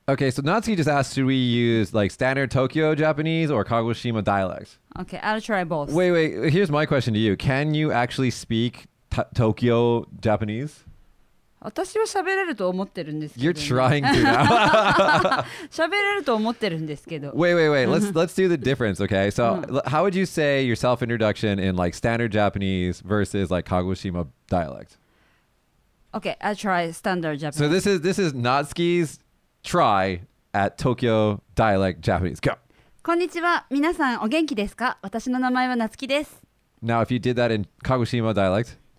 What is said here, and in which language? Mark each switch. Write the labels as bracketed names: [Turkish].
[English] Okay, so Natsuki just asked, should we use like standard Tokyo Japanese or Kagoshima dialects? Okay, I'll try both. Wait, here's my question to you. Can you actually speak Tokyo Japanese? [Japanese] 私は喋れると思ってるんですけど [English] You're trying to now. [Japanese] 喋れると思ってるんですけど [English] Wait, let's do the difference, okay? So how would you say your self-introduction in like standard Japanese versus like Kagoshima dialect? Okay, I'll try standard Japanese. So this is Natsuki's try at Tokyo dialect Japanese. Go! [Japanese] こんにちは、皆さんお元気ですか?私の名前は夏希です [English] Now if you did that in Kagoshima dialect